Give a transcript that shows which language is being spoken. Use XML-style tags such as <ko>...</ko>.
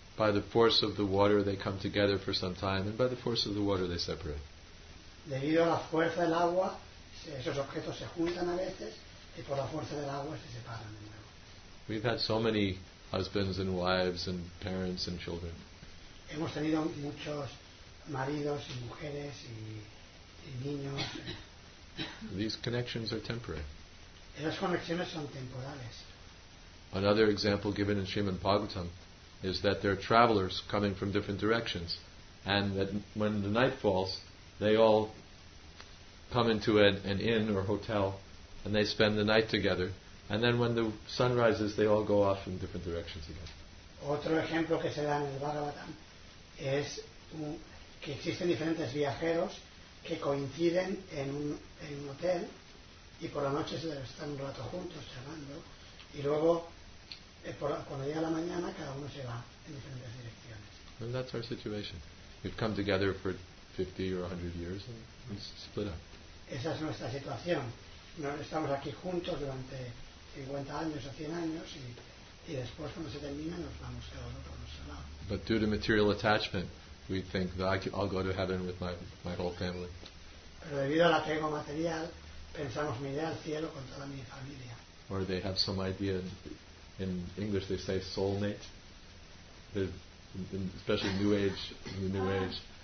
<en>By the force of the water they come together for some time, and by the force of the water they separate.</en> <es>Debido a la fuerza del agua, esos objetos se juntan a veces, y por la fuerza del agua se separan de nuevo.</es> <en>We've had so many husbands and wives and parents and children.</en> <es>Hemos tenido muchos maridos y mujeres y niños.</es> <en>These connections are temporary.</en> <es>Esas conexiones son temporales.</es> <en>Another example given in Srimad Bhagavatam is that there are travelers coming from different directions, and that when the night falls, they all come into an inn or hotel and they spend the night together, and then when the sun rises they all go off in different directions again.</en> <es>Otro ejemplo que se da en el Bhagavatam es que existen diferentes viajeros que coinciden en un hotel, y por la noche se están un rato juntos charlando, y luego cuando llega la mañana cada uno se va en diferentes direcciones.</es> <en>And that's our situation. We've come together for 50 or 100 years and split up.</en> <es>Esa es nuestra situación. No estamos aquí juntos durante 50 años o 100 años y después cuando se termina nos vamos cada uno por nuestro lado.</es> <en>But due to material attachment, we think that I'll go to heaven with my whole family.</en> <es>Pero debido al apego material, pensamos me iré al cielo con toda mi familia.</es> <en>Or they have some idea. In English, they say soulmate. Especially in the New Age.</en>